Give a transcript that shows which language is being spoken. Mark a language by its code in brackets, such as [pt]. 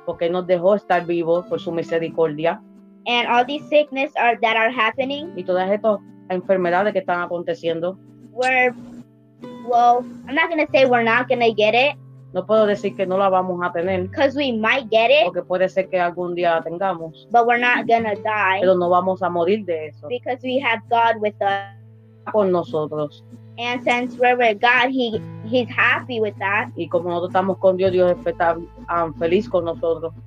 [es] Porque nos dejó estar vivos por su misericordia. [en] And all these sicknesses that are happening. [es] Y todas estas enfermedades que están aconteciendo. [en] I'm not gonna say we're not gonna get it. [es] No puedo decir que no la vamos a tener. [en] Because we might get it. [es] Porque puede ser que algún día la tengamos. [en] But we're not gonna die. [es] Pero no vamos a morir de eso. [en] Because we have God with us. [es] Con nosotros. [en] And since we're with God, he's happy with that. [es] Y como nosotros estamos con Dios, Dios está feliz con nosotros.